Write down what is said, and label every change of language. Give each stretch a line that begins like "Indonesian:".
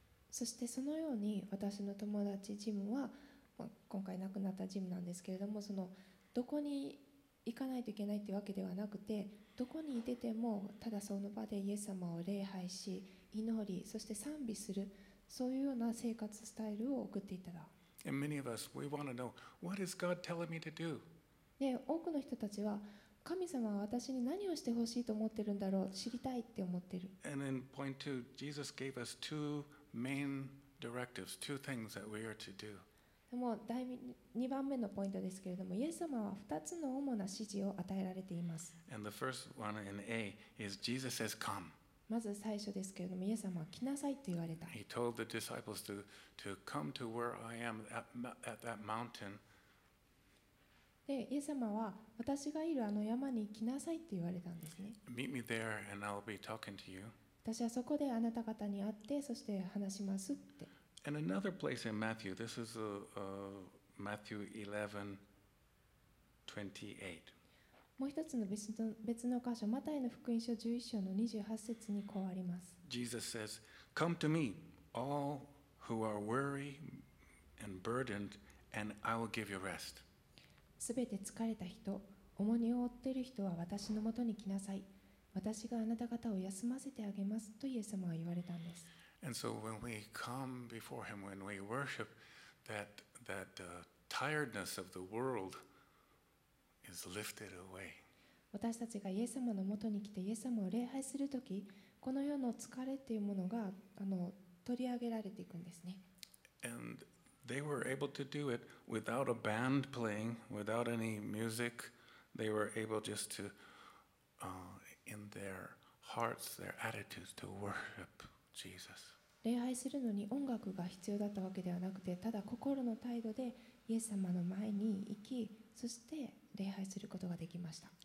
Japanese: そしてそのように私の友達ジムは、今回亡くなったジムなんですけれども、そのどこに行かないといけないってわけではなくて、どこにいてても、ただその場でイエス様を礼拝し、祈り、そして賛美する、そういうような生活スタイルを送っていたら。
English: And many of us, we want to know, what is God telling me to do?
Japanese: で、多くの人たちは、神様は私に何をしてほしいと思ってるんだろう、知りたいって思ってる。
English: And in point two, Jesus gave us two main directives, two things that we are to do.
Japanese: もう第2番目のポイントですけれども、イエス様は2つの主な指示を与えられています。
English: And the first one in A is Jesus says, Come.
Japanese: まず最初ですけれども、イエス様は来なさいと言われた。
English: He told the disciples to come to where I am at that mountain.
Japanese: で、イエス様は私がいるあの山に来なさいと言われたんですね。
English: Meet me there and I'll be talking to you.
Japanese: 私はそこであなた方に会って、そして話しますって。
English: And another place in Matthew, this is Matthew 11:28.
Japanese: もう一つの別の箇所、マタイの福音書11章の28節にこうあります。
English: Jesus says, Come to me, all who are weary and burdened, And I will give you rest.
Japanese: すべて疲れた人、重荷を負っている人は私のもとに来なさい。私があなた方を休ませてあげますとイエス様は言われたんです。
English: And so when we come before him, when we worship, that tiredness of the world is lifted away.
Japanese: 私たちがイエス様のもとに来てイエス様を礼拝するとき、この世の疲れというものが取り上げられていくんですね。
English: And they were able to do it without a band playing, without any music. They were able just to, in their hearts, their attitudes, to worship Jesus.
Japanese: 礼拝するのに音楽が必要だったわけではなくて、ただ心の態度でイエス様の前に行き、そして礼拝することができました。